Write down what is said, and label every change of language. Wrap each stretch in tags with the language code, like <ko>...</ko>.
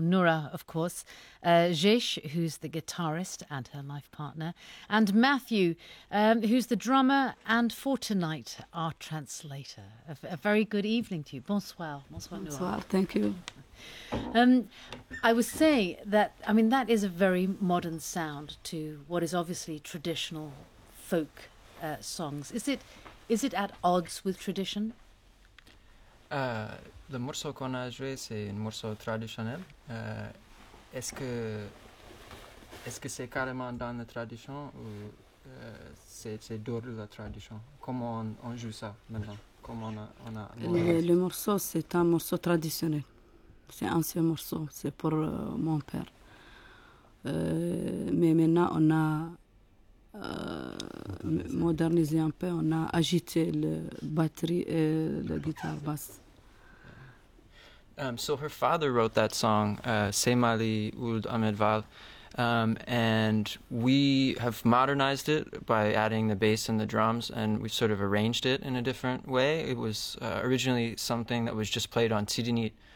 <en>Noura, of course, Jish, who's the guitarist and her life partner, and Matthew, who's the drummer, and for tonight, our translator. A very good evening to you. Bonsoir. Bonsoir, Noura. Bonsoir, thank you. I would say that, I mean, that is a very modern sound to what is obviously traditional folk songs. Is it at odds with tradition?</en> <fr>Le morceau qu'on a joué, c'est un morceau traditionnel. Est-ce que c'est carrément dans la tradition ou c'est dehors de la tradition? Comment on joue ça maintenant? Le morceau, c'est un morceau traditionnel. C'est un ancien morceau, c'est pour mon père. Mais maintenant, on a modernisé un peu, on a agité la batterie et la guitare basse.</fr> <en>So her father wrote that song, Semali Ould Ahmed Val, and we have modernized it by adding the bass and the drums, and we sort of arranged it in a different way. It was originally something that was just played on Tidinit.</en>